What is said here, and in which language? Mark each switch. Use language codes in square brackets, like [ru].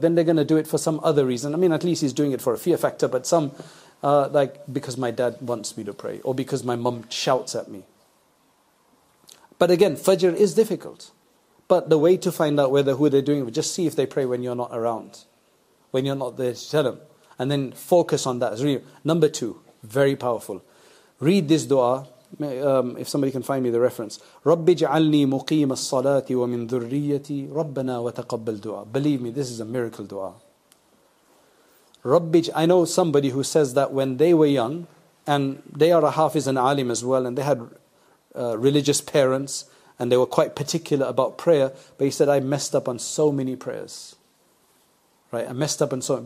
[en] Then they're going to do it for some other reason. I mean, at least he's doing it for a fear factor, but some, like, because my dad wants me to pray, or because my mum shouts at me. But again, Fajr is difficult. But the way to find out who they're doing it, just see if they pray when you're not around. When you're not there, tell them. And then focus on that. Number two, very powerful. Read this dua. If somebody can find me the reference, [ar] رَبِّ جَعَلْنِي مُقِيمَ الصَّلَاةِ وَمِنْ ذُرِّيَّتِي رَبَّنَا وَتَقَبَّلْ دُعَى. [en] Believe me, this is a miracle dua. I know somebody who says that when they were young, and they are a Hafiz and Alim as well, and they had religious parents, and they were quite particular about prayer, but he said, I messed up on so many prayers. Right? I messed up on so many.